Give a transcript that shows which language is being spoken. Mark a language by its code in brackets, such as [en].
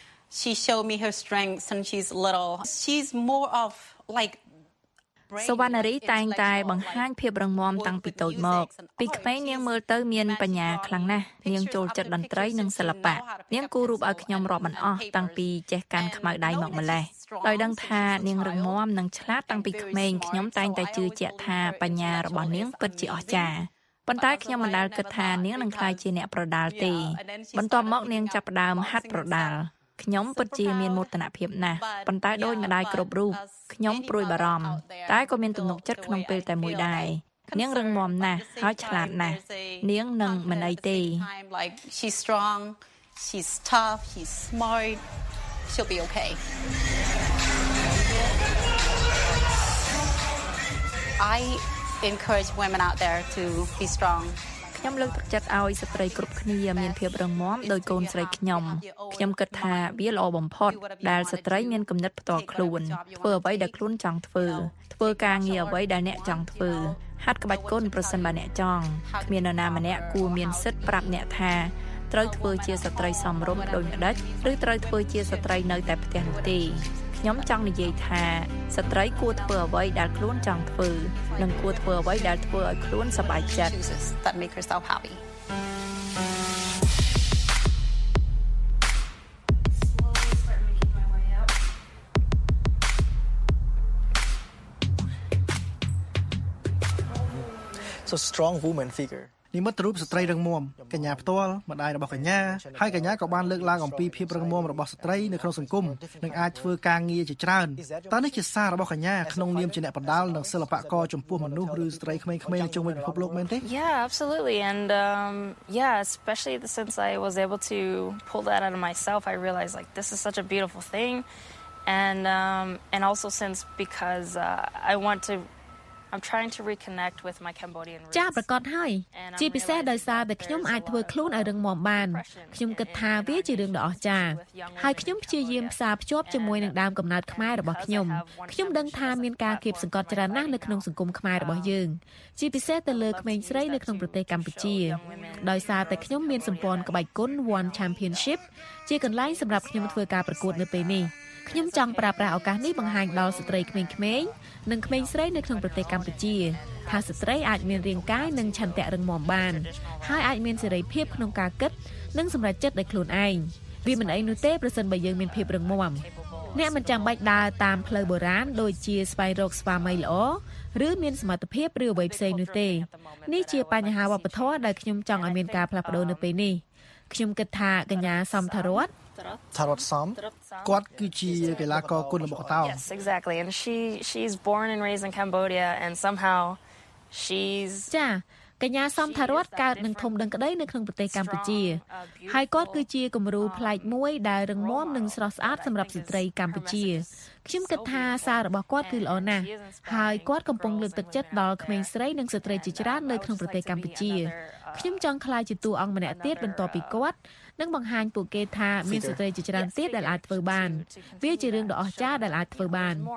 [en] She showed me her strengths when she's little. She's more of like [km] សវណ្ណារីតែងតែបង្ហាញភាពរឹងមាំតាំងពីតូចមកពីក្មេងនាងមើលទៅមានបញ្ញាខ្លាំងណាស់នាងចូលចិត្តតន្ត្រីនិងសិល្បៈនាងគូររូបឲ្យខ្ញុំរាប់មិនអស់តាំងពីចេះកាន់ខ្មៅដៃមកម្លេះដោយដឹងថានាងរឹងមាំនិងឆ្លាតតាំងពីក្មេងខ្ញុំតែងតែជឿជាក់ថាបញ្ញារបស់នាងពិតជាអស្ចារ្យប៉ុន្តែខ្ញុំមិនដាល់គិតថានាងនឹងក្លាយជាអ្នកប្រដាល់ទេ បន្ទាប់មកនាងចាប់ផ្ដើមហាត់ប្រដាល់ខ្ញុំពិតជាមានមោទនភាពណាស់ប៉ុន្តែដោយម្ដាយគ្រប់រូបខ្ញុំព្រួយបារម្ភតែក៏មានទំនុកចិត្តក្នុងពេលតែមួយដែរនាងរឹងមាំណាស់ហើយឆ្លាតណាស់នាងនឹងមិនអីទេ [en] She's strong, she's tough, she's smart. She'll be okay. I encourage women out there to be strong. [km] ខ្ញុំលើកទឹកចិត្តឲ្យស្ត្រីគ្រប់គ្នាមានភាពរឹងមាំដោយកូនស្រីខ្ញុំខ្ញុំគិតថាវាល្អបំផុតដែលស្ត្រីមានគំនិតផ្ទាល់ខ្លួនធ្វើអ្វីដែលខ្លួនចង់ធ្វើធ្វើការងារអ្វីដែលអ្នកចង់ធ្វើហាត់ក្បាច់គុណប្រសិនបើអ្នកចង់គ្មាននរណាម្នាក់គួរមានសិទ្ធិប្រាប់អ្នកថាត្រ រូវធ្វើជាស្ត្រីសមរម្យដោយម្ដេចឬត្រូវធ្វើជាស្ត្រីនៅតែផ្ទះនោះទេខ្ញុំចង់និយាយថាស្ត្រីគួរធ្វើអ្វីដែលខ្លួនចង់ធ្វើនិងគួរធ្វើអ្វីដែលធ្វើឲ្យខ្លួនសប្បាយចិត្ត [en] So strong woman figure [km] និមិត្តរូបស្ត្រីរឹងមាំកញ្ញាផ្ទាល់ម្ដាយរបស់កញ្ញាហើយកញ្ញាក៏បានលើកឡើងអំពីភាពរឹងមាំរបស់ស្ត្រីនៅក្នុងសង្គមនិងអាចធ្វើការងារជាច្រើនតើនេះជាសាររបស់កញ្ញាក្នុងនាមជាអ្នកបដាលនិងសិល្បករចំពោះមនុស្សឬស្ត្រីក្មេងៗនៅជុំវិញពិភពលោកមែនទេ [en] Yeah absolutely and especially since I was able to pull that out of myself I realized like this is such a beautiful thing and also since because I want toI'm trying to reconnect with my Cambodian roots. [km] ចាប្រកាសហើយជាពិសេសដោយសារតែខ្ញុំអាចធ្វើខ្លួនឲ្យរឹងមាំបានខ្ញុំគិតថាវាជារឿងដ៏អស្ចារ្យហើយខ្ញុំព្យាយាមផ្សារភ្ជាប់ជាមួយនឹងដើមកំណើតខ្មែររបស់ខ្ញុំខ្ញុំដឹងថាមានការគៀបសង្កត់ច្រើនណាស់នៅក្នុងសង្គមខ្មែររបស់យើងជាពិសេសទៅលើក្មេងស្រីនៅក្នុងប្រទេសកម្ពុជា ដោយសារតែខ្ញុំមានសម្ព័ន្ធក្បាច់គុណ One Championship ជាកន្លែងសម្រាប់ខ្ញុំធ្វើការប្រកួតនៅពេលនេះខ្ញុំចង់ប្រើប្រាស់ឱកាសនេះបង្ហាញដល់ស្ត្រីក្មេងៗនិងក្មេងស្រីនៅក្នុងប្រទេសកម្ពុជាថាស្ត្រីអាចមានរាងកាយនិងឆន្ទៈរឹងមាំបានហើយអាចមានសេរីភាពក្នុងការគិតនិងសម្រេចចិត្តដោយខ្លួនឯងវាមិនអីនោះទេប្រសិនបើយើងមានភាពរឹងមាំ អ្នកមិនចាំបាច់ដើរតាមផ្លូវបុរាណដូចជាស្វែងរកស្វាមីល្អឬមានសមត្ថភាពឬអ្វីផ្សេងនោះទេនេះជាបញ្ហាវប្បធម៌ដែលខ្ញុំចង់ឲ្យមានការផ្លាស់ប្ដូរនៅពេលនេះខ្ញុំគិតថាកញ្ញាសំថារ័ត្ន តារ៉ាត់សំ គាត់គឺជាកីឡាករគុនល្បុក្កតោ [en] Yes exactly and she's born and raised in Cambodia and somehow she's [km] ចាកញ្ញាសំថារ័ត្នកើតនិងធំដឹងក្តីនៅក្នុងប្រទេសកម្ពុជាហើយគាត់គឺជាគំរូផ្លែកមួយដែលរឹងមាំនិងស្រស់ស្អាតសម្រាប់ស្ត្រីកម្ពុជាខ្ញុំគិតថាសាររបស់គាត់គឺល្អណាស់ហើយគាត់កំពុងលើកទឹកចិត្តដល់ក្មេងស្រីនិងស្ត្រីជាច្រើននៅក្នុងប្រទេសកម្ពុជាខ្ញុំចង់ខ្លាយជាតួអង្គម្នាក់ទៀតបន្ទាប់ពីគាត់នឹងបង្ហាញពួកគេថាមានស្ត្រីជាច្រើនទៀតដែលអាចធ្វើបានវាជារឿងដ៏អស្ចារ្យដែលអាចធ្វើបាន